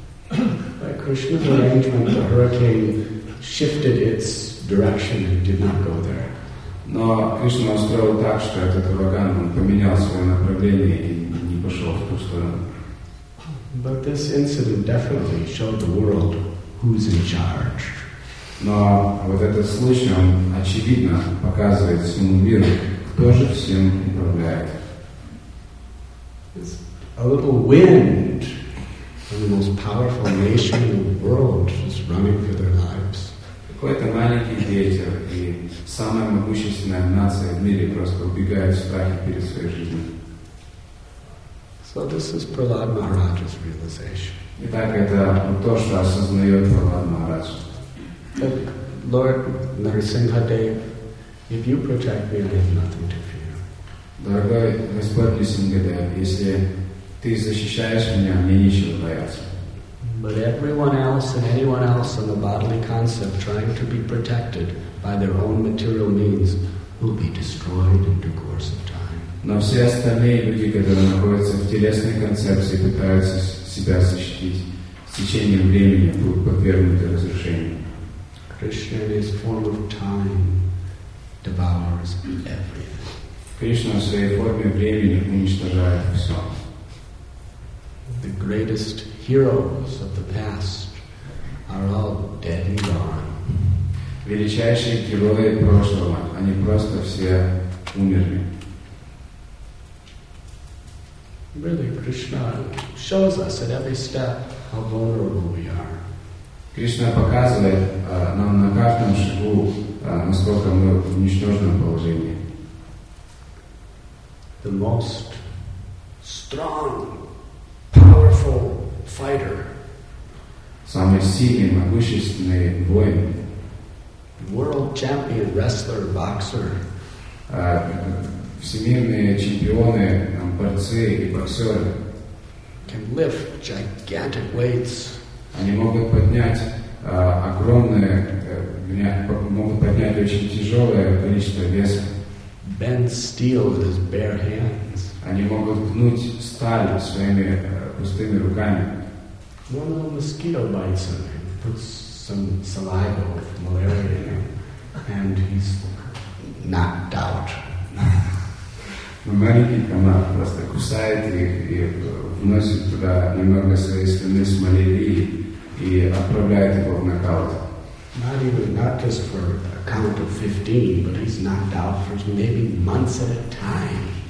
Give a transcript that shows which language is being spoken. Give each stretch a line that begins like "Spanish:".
English: By Krishna's arrangement, the hurricane shifted its direction and did not go there.
Russian: Но Кришна устроил так, что этот ураган, он поменял свое направление и не пошел в ту сторону.
English: But this incident definitely showed the world who's in charge.
Russian: Но вот этот случай, он очевидно показывает всему миру, кто же всем управляет.
English: It's a little wind. And the most powerful nation in the world is running for their lives.
Russian: Какой-то маленький ветер, и самая могущественная нация в мире просто убегает в страхе перед своей жизнью.
English: So this is Prahlad Maharaj's realization.
Russian: Итак, это то, что осознает Прахлад Махарадж.
English: Look, Lord Нарсингхадев, if you protect me, I have nothing to fear.
Russian: Дорогой Господь Нарсингхадев, если ты защищаешь меня, мне нечего бояться.
English: But everyone else and anyone else in the bodily concept trying to be protected by their own material means will be destroyed in due course of time.
Russian: Но все остальные люди, которые находятся в телесной концепции, пытаются себя защитить, с течением времени будут подвергнуты разрушению.
English: Krishna in his form of time devours everything.
Russian: Кришна в своей форме времени уничтожает все.
English: The greatest heroes of the past are all dead and gone.
Russian: Величайшие герои прошлого, они просто все умерли.
English: Really, Krishna shows us at every step how vulnerable we are.
Russian: Кришна показывает нам на каждом шагу, насколько мы в ничтожном положении.
English: The most strong, powerful fighter.
Russian: Самый сильный, могущественный воин.
English: World champion wrestler, boxer.
Russian: Всемирные чемпионы, борцы и боксеры.
English: Can lift gigantic weights.
Russian: Они могут поднять могут поднять очень тяжелое количество веса.
English: Bend steel with his bare hands.
Russian: Они могут гнуть сталь своими пустыми руками.
English: One little mosquito bites him, puts some saliva with malaria in him, and he's knocked out.
Russian: Маленький комар просто кусает их и вносит туда немного своей слюны с малярией и отправляет его в нокаут.
English: Not even, not just for a count of 15, but he's knocked out for maybe months at a time.